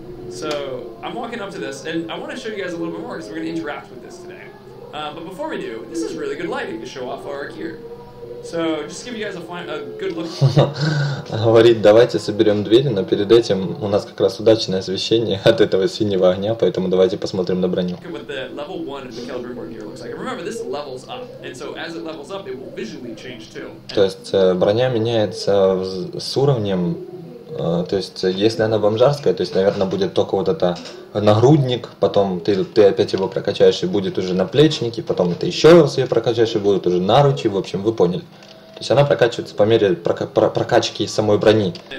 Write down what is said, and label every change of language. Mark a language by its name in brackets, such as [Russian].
[English] So, I'm walking up to this, and I want to show you guys a little bit more, because we're going to interact with this today. But before we do, this is really good lighting to show off our gear. So, just give you guys a good look. [Russian] Говорит, давайте соберем двери, но перед этим у нас как раз удачное освещение от этого синего огня, поэтому давайте посмотрим на броню. [English] Look at what the level 1 of the Calibrium gear looks like. Remember, this levels up, and so as it levels up, it will visually change too. [Russian] То есть броня меняется с уровнем. То есть, если она бомжарская, то есть, наверное, будет только вот это нагрудник, потом ты опять его прокачаешь, и будет уже наплечники, потом ты еще раз ее прокачаешь, и будут уже наручи, в общем, вы поняли. То есть, она прокачивается по мере прокачки самой брони.